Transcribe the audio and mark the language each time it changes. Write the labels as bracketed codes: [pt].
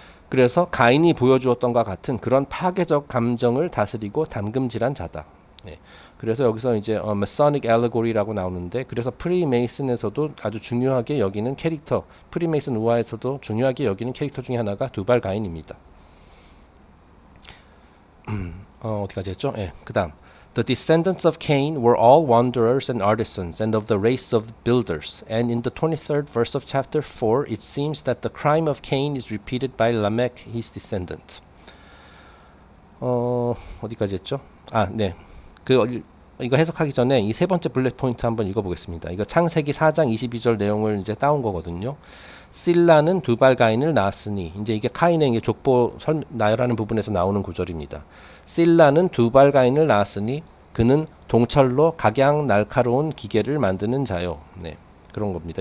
[ko] 그래서 가인이 보여주었던 것과 같은 그런 파괴적 감정을 다스리고 담금질한 자다. 네. 그래서 여기서 이제 Masonic Allegory라고 나오는데 그래서 프리메이슨에서도 아주 중요하게 여기는 캐릭터, 프리메이슨 우화에서도 중요하게 여기는 캐릭터 중에 하나가 두발 가인입니다. 어디까지 했죠? 예. 네. [en] 그다음 The descendants of Cain were all wanderers and artisans and of the race of builders. And in the 23rd verse of chapter 4, it seems that the crime of Cain is repeated by Lamech, his descendant. [ko] 어디까지 했죠? 아, 네. 이거 해석하기 전에 이세 번째 블랙 포인트 한번 읽어보겠습니다. 이거 창세기 4장 22절 내용을 이제 따온 거거든요. 실라는 두발 가인을 낳았으니, 이제 이게 카인의 족보 나열하는 부분에서 나오는 구절입니다. 실라는 두발 가인을 낳았으니, 그는 동철로 각양 날카로운 기계를 만드는 자요. 네. 그런 겁니다.